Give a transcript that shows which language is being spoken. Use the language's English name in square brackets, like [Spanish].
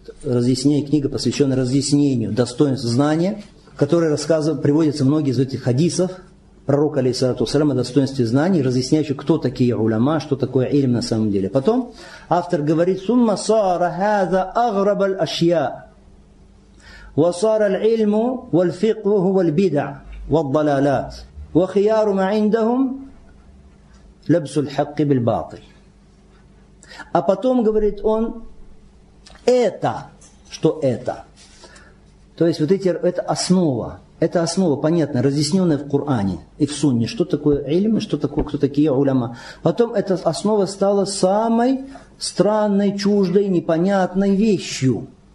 [Russian] Разъяснение, книга, посвященная разъяснению достоинств знания, которая рассказывает, приводится многие из этих хадисов пророка, алейхиссалату вассалам, о достоинстве знаний, разъясняющих, кто такие уляма, что такое ильм на самом деле. Потом автор говорит: [Arabic] «Сумма сара хаза аграб аль-ашья». وصار العلم والفقه هو البدع والضلالات وخيار ما عندهم لبس الحق بالباطل. [Russian] А потом говорит он, это что это? То есть вот эти, это основа понятная, разъясненная в Коране и в Сунне, что такое ильм, что такое, кто такие уляма. Потом эта основа стала самой странной, чуждой, непонятной вещью.